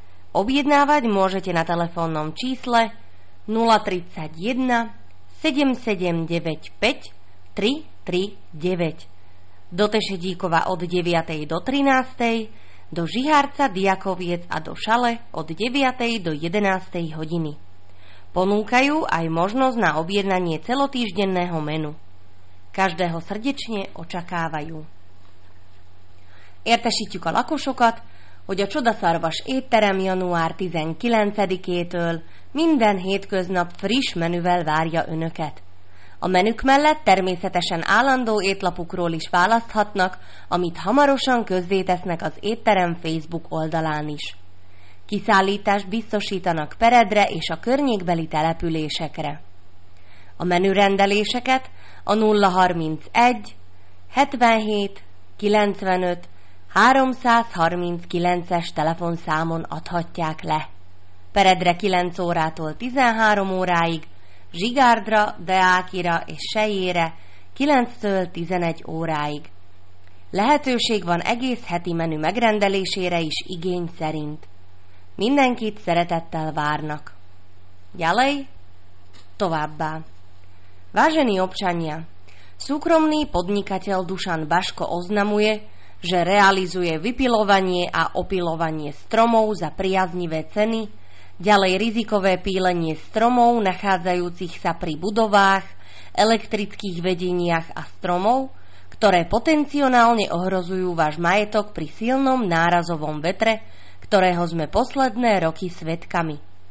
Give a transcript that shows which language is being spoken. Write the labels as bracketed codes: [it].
[sk] Objednávať môžete na telefónnom čísle 031 7795 339 do Tešedíkova od 9. do 13. do Žihárca, Diakoviec a do Šale od 9. do 11. hodiny. Ponúkajú aj možnosť na objednanie celotýždenného menu. Každého srdečne očakávajú. [hu] Értesítjük a lakosokat, hogy a csodaszarvas étterem január 19-től minden hétköznap friss menüvel várja önöket. A menük mellett természetesen állandó étlapukról is választhatnak, amit hamarosan közzétesznek az étterem Facebook oldalán is. Kiszállítást biztosítanak Peredre és a környékbeli településekre. A menürendeléseket a 031 77 95 339-es telefonszámon adhatják le. Peredre 9 órától 13 óráig, Zsigárdra, Deákira és Sejére 9-től 11 óráig. Lehetőség van egész heti menü megrendelésére is igény szerint. Mindenkit szeretettel várnak. Gyalej, továbbá. [sk] Váženi občania, súkromný podnikateľ Dušan Baško oznamuje, že realizuje vypilovanie a opilovanie stromov za priaznivé ceny, ďalej rizikové pílenie stromov nachádzajúcich sa pri budovách, elektrických vedeniach a stromov, ktoré potenciálne ohrozujú váš majetok pri silnom nárazovom vetre, ktorého sme posledné roky svedkami.